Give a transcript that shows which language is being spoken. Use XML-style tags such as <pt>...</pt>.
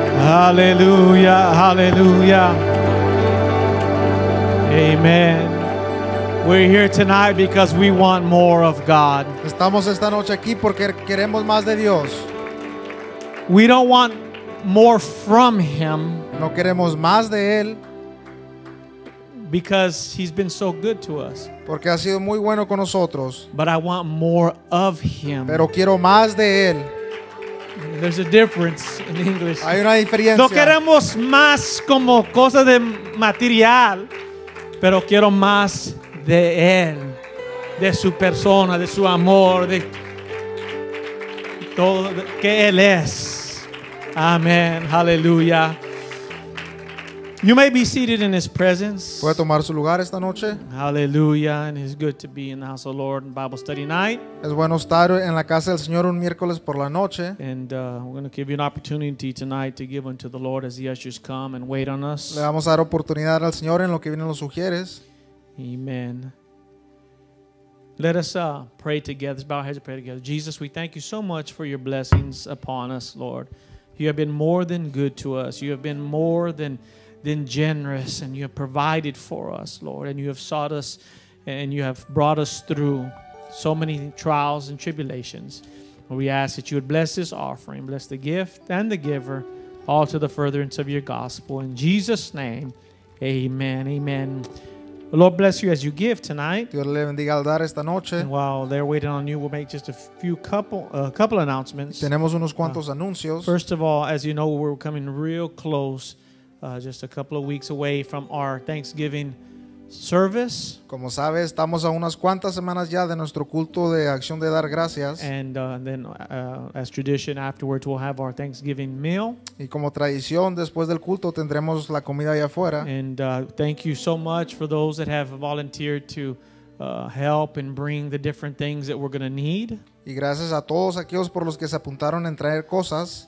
<en>Hallelujah, hallelujah. Amen. We're here tonight because we want more of God.</en> <es>Estamos esta noche aquí porque queremos más de Dios.</es> <en>We don't want more from Him.</en> <es>No queremos más de Él.</es> <en>Because He's been so good to us.</en> <es>Porque ha sido muy bueno con nosotros.</es> <en>But I want more of Him.</en> <es>Pero quiero más de Él.</es> <en>There's a difference in English.</en> <es>Hay una diferencia. No queremos más como cosas de material, pero quiero más de Él, de su persona, de su amor, de todo que Él es. Amén. Hallelujah.</es> <en>You may be seated in His presence.</en> <es>¿Puede tomar su lugar esta noche?</es> <en>Hallelujah. And it's good to be in the house of the Lord in Bible study night.</en> <es>Es bueno estar en la casa del Señor un miércoles por la noche.</es> <en>And we're going to give you an opportunity tonight to give unto the Lord as the ushers come and wait on us.</en> <es>Le vamos a dar oportunidad al Señor en lo que vienen los sugieres.</es> <en>Amen. Let us pray together. Let's bow our heads and pray together. Jesus, we thank you so much for your blessings upon us, Lord. You have been more than good to us. You have been more than generous, and you have provided for us, Lord, and you have sought us and you have brought us through so many trials and tribulations. We ask that you would bless this offering, bless the gift and the giver, all to the furtherance of your gospel. In Jesus' name, amen, amen. Lord bless you as you give tonight.</en> <es>Dios le bendiga al dar esta noche.</es> <en>And while they're waiting on you, we'll make just a couple announcements.</en> <es>Tenemos unos cuantos anuncios.</es> <en>First of all, as you know, we're coming real close. Just a couple of weeks away from our Thanksgiving service.</en> <es>Como sabe, estamos a unas cuantas semanas ya de nuestro culto de Acción de Dar Gracias.</es> <en>And then, as tradition, afterwards we'll have our Thanksgiving meal.</en> <es>Y como tradición, después del culto tendremos la comida allá afuera.</es> <en>And thank you so much for those that have volunteered to help and bring the different things that we're going to need.</en> <es>Y gracias a todos aquellos por los que se apuntaron en traer cosas.</es>